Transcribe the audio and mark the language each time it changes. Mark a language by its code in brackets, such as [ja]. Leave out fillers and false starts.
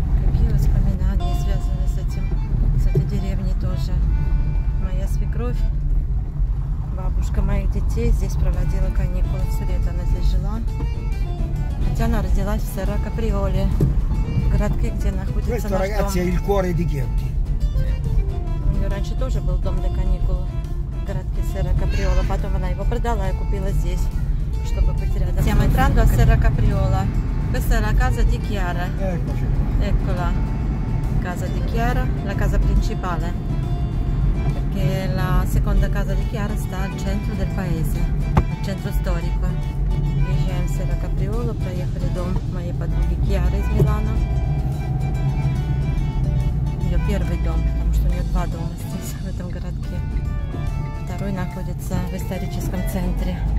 [ru] Какие воспоминания связаны с этим, с этой деревней тоже. Моя свекровь, бабушка моих детей, здесь проводила каникулы. Все лето она здесь жила. Хотя она родилась в Серра Каприоле, в городке, где находится наш дом. Это, [it] ragazzi, il cuore di Ghetti. [ru] Раньше тоже был дом для каникул в городке Серра Каприола. Потом она его продала и купила здесь, чтобы быть рядом. [it] Siamo entrando a Serra Capriola. Questa è la casa di Chiara. Eccola. Casa di Chiara, la casa principale. Perché la seconda casa di Chiara sta al centro del paese, al centro storico. Vediamo [ru] Serra Capriola, проехали дом моей подруги Chiara из Milano. Ее первый дом. Два дома здесь, в этом городке. Второй находится в историческом центре.